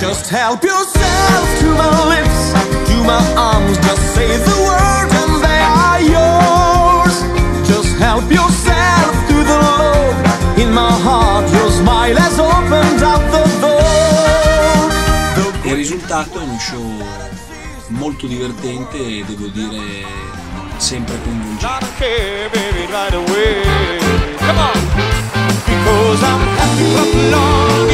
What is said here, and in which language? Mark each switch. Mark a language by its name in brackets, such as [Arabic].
[English] Help yourself to my lips, to my arms. Just say the word and they are yours. Just help yourself to the love in my heart. Your smile has opened up the door. [Italian] Il risultato è un show molto divertente e devo dire sempre coinvolgente. [English] Not okay, baby, right away. Come on. Because I'm happy with love.